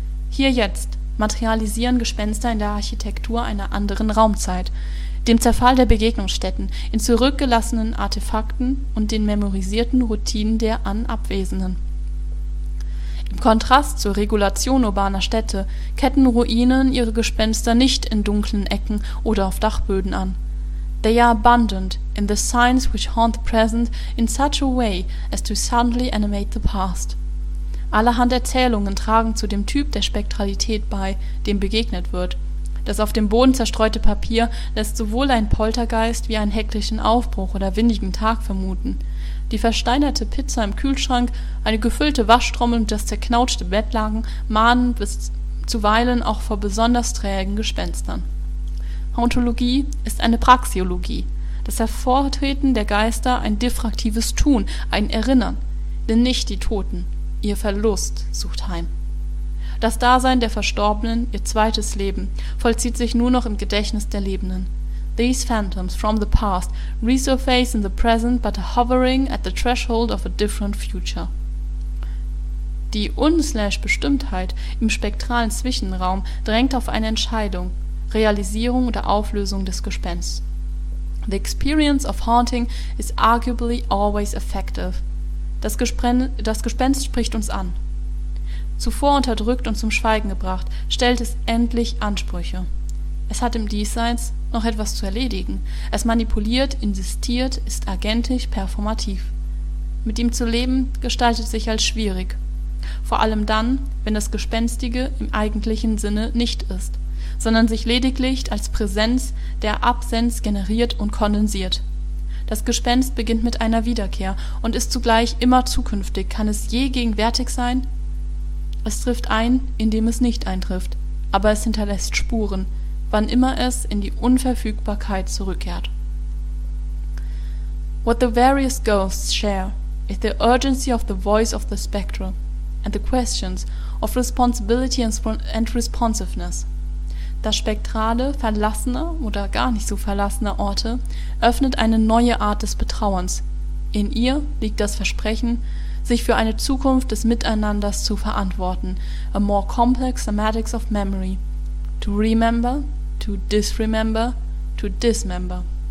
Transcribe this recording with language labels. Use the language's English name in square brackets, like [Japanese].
[German] Hier jetzt materialisieren Gespenster in der Architektur einer anderen Raumzeit, dem Zerfall der Begegnungsstätten in zurückgelassenen Artefakten und den memorisierten Routinen der Anabwesenden. Im Kontrast zur Regulation urbaner Städte ketten Ruinen ihre Gespenster nicht in dunklen Ecken oder auf Dachböden an. [English] They are abundant in the signs which haunt the present in such a way as to suddenly animate the past. [German] Allerhand Erzählungen tragen zu dem Typ der Spektralität bei, dem begegnet wird. Das auf dem Boden zerstreute Papier lässt sowohl einen Poltergeist wie einen hektischen Aufbruch oder windigen Tag vermuten. Die versteinerte Pizza im Kühlschrank, eine gefüllte Waschtrommel und das zerknautschte Bettlaken mahnen bis zuweilen auch vor besonders trägen Gespenstern. Ontologie ist eine Praxeologie, das Hervortreten der Geister ein diffraktives Tun, ein Erinnern, denn nicht die Toten, ihr Verlust sucht heim. Das Dasein der Verstorbenen, ihr zweites Leben, vollzieht sich nur noch im Gedächtnis der Lebenden. [English] These phantoms from the past resurface in the present but are hovering at the threshold of a different future. [German] Die Un-Bestimmtheit im spektralen Zwischenraum drängt auf eine Entscheidung, Realisierung oder Auflösung des Gespensts. [English] The experience of haunting is arguably always affective. [German] Das Gespenst spricht uns an. Zuvor unterdrückt und zum Schweigen gebracht, stellt es endlich Ansprüche. Es hat im Diesseits noch etwas zu erledigen. Es manipuliert, insistiert, ist agentisch, performativ. Mit ihm zu leben, gestaltet sich als schwierig. Vor allem dann, wenn das Gespenstige im eigentlichen Sinne nicht ist, sondern sich lediglich als Präsenz der Absenz generiert und kondensiert. Das Gespenst beginnt mit einer Wiederkehr und ist zugleich immer zukünftig. Kann es je gegenwärtig sein? Es trifft ein, indem es nicht eintrifft, aber es hinterlässt Spuren, wann immer es in die Unverfügbarkeit zurückkehrt. [English] What the various ghosts share is the urgency of the voice of the spectral and the questions of responsibility and responsiveness. [German] Das Spektrale verlassener oder gar nicht so verlassener Orte öffnet eine neue Art des Betrauerns. In ihr liegt das Versprechen, sich für eine Zukunft des Miteinanders zu verantworten, [English] a more complex semantics of memory, to remember, to disremember, to dismember.